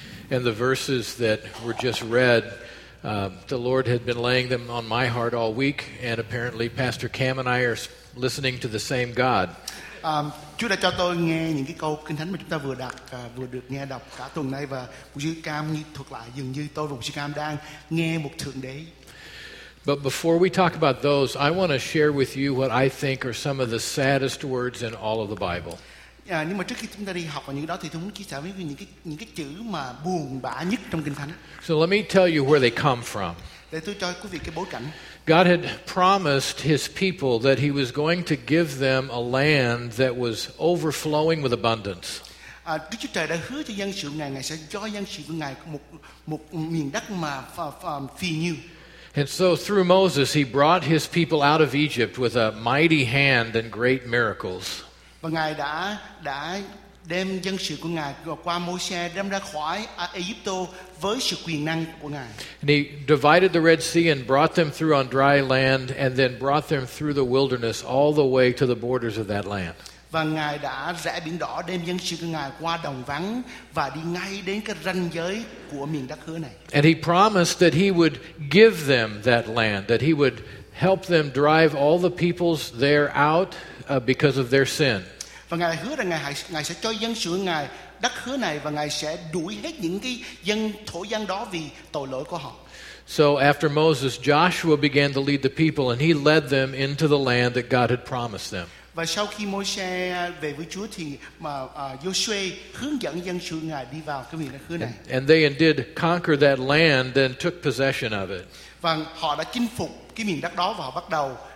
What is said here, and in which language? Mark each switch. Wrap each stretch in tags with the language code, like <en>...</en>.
<en>And the verses that were just read, the Lord had been laying them on my heart all week, and apparently Pastor Cam and I are listening to the same God.</en> <vi>Chúa đã cho tôi nghe những cái câu kinh thánh mà chúng ta vừa đọc, vừa được nghe đọc cả tuần nay, và mục sư Cam thuật lại dường như tôi và mục sư Cam đang nghe một thượng đế.</vi> <en>But before we talk about those, I want to share with you what I think are some of the saddest words in all of the Bible.</en> <vi>Nhưng mà trước khi chúng ta đi học vào những đó thì tôi muốn chia sẻ với những cái chữ mà buồn bã nhất trong kinh thánh.</vi> <en>So let me tell you where they come from.</en> <vi>Để tôi cho quý vị cái bối cảnh.</vi> <en>God had promised his people that he was going to give them a land that was overflowing with abundance.</en> <vi>Đức Chúa Trời đã hứa cho dân sự Ngài, Ngài sẽ cho dân sự của Ngài một miền đất mà phì nhiêu.</vi> <en>And so through Moses, he brought his people out of Egypt with a mighty hand and great miracles.</en> <vi>Và Ngài đã đem dân sự của Ngài qua Môi-se đem ra khỏi Egypto với sự quyền năng của Ngài.</vi> <en>And he divided the Red Sea and brought them through on dry land, and then brought them through the wilderness all the way to the borders of that land.</en> <vi>Và Ngài đã rẽ biển đỏ đem dân sự của Ngài qua đồng vắng và đi ngay đến cái ranh giới của miền đất hứa này.</vi> <en>And he promised that he would give them that land, that he would help them drive all the peoples there out because of their sin.</en> <vi>Và Ngài hứa rằng Ngài sẽ cho dân sự Ngài đất hứa này, và Ngài sẽ đuổi hết những cái dân thổ dân đó vì tội lỗi của họ.</vi> <en>So after Moses, Joshua began to lead the people, and he led them into the land that God had promised them.</en> <vi>Và sau khi Môi-se về với Chúa thì mà Joshua hướng dẫn dân sự Ngài đi vào cái miền đất hứa này.</vi> <en>And they indeed conquered that land and took possession of it.</en> <vi>Và họ đã chinh phục cái miền đất đó và họ bắt đầu.</vi>